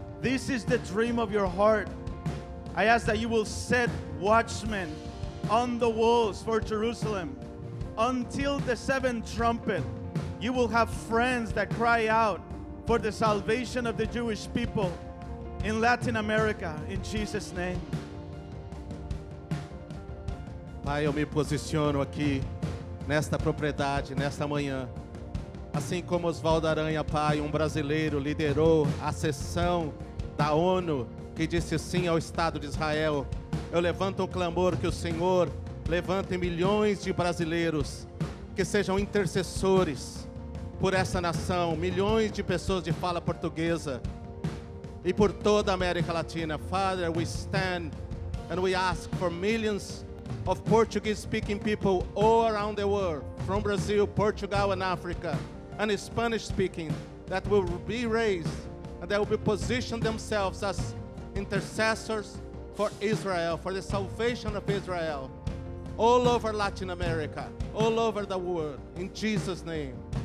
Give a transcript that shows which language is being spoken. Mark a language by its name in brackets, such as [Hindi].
[English] This is the dream of your heart. I ask that you will set watchmen on the walls for Jerusalem until the seventh trumpet. You will have friends that cry out for the salvation of the Jewish people in Latin America, in Jesus' name. [Portuguese] Pai, eu me posiciono aqui nesta propriedade, nesta manhã. Assim como Oswaldo Aranha, Pai, brasileiro, liderou a sessão da ONU que disse sim ao Estado de Israel, eu levanto um clamor que o Senhor levante milhões de brasileiros que sejam intercessores por essa nação, milhões de pessoas de fala portuguesa e por toda a América Latina. [English] Father, we stand and we ask for millions of Portuguese-speaking people all around the world, from Brazil, Portugal and Africa, and Spanish-speaking, that will be raised and that will be positioned themselves as intercessors for Israel, for the salvation of Israel, all over Latin America, all over the world, in Jesus' name.